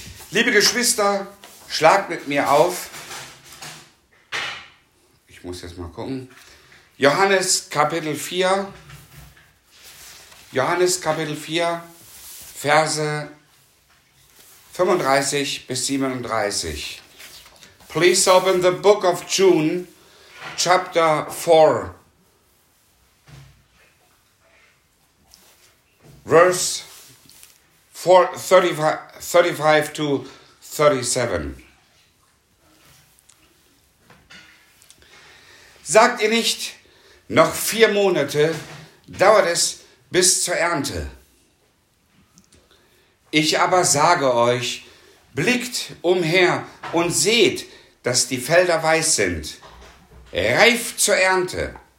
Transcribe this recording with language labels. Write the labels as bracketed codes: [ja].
[de] Liebe Geschwister, schlagt mit mir auf. Ich muss jetzt mal gucken. Johannes Kapitel 4. Johannes Kapitel 4, Verse 35 bis 37. [en] Please open the book of Jude, chapter 4, verse 35 to 37. [de] Sagt ihr nicht, noch 4 Monate dauert es bis zur Ernte? Ich aber sage euch, blickt umher und seht, dass die Felder weiß sind, reif zur Ernte.